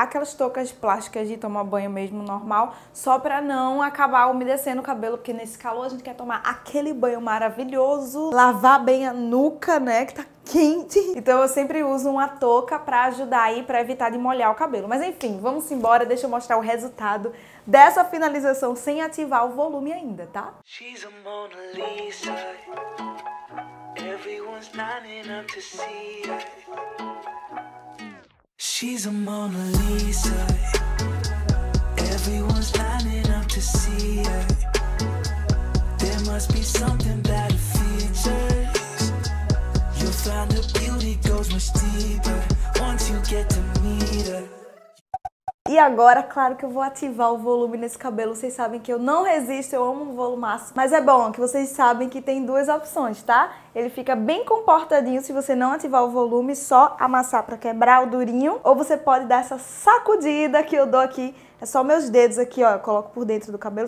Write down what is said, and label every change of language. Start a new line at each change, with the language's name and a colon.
Portuguese: Aquelas toucas plásticas de tomar banho mesmo, normal. Só pra não acabar umedecendo o cabelo, porque nesse calor a gente quer tomar aquele banho maravilhoso, lavar bem a nuca, né, que tá quente. Então eu sempre uso uma touca pra ajudar aí, pra evitar de molhar o cabelo. Mas enfim, vamos embora, deixa eu mostrar o resultado dessa finalização sem ativar o volume ainda, tá?
English: She's a Mona Lisa, everyone's lining up to see her. She's a Mona Lisa. Everyone's lining up to see her. There must be something about her features. You'll find her beauty goes much deeper once you get to meet her.
Portuguese: E agora, claro que eu vou ativar o volume nesse cabelo. Vocês sabem que eu não resisto, eu amo um volumaço. Mas é bom que vocês sabem que tem duas opções, tá? Ele fica bem comportadinho se você não ativar o volume, só amassar pra quebrar o durinho. Ou você pode dar essa sacudida que eu dou aqui. É só meus dedos aqui, ó, eu coloco por dentro do cabelo.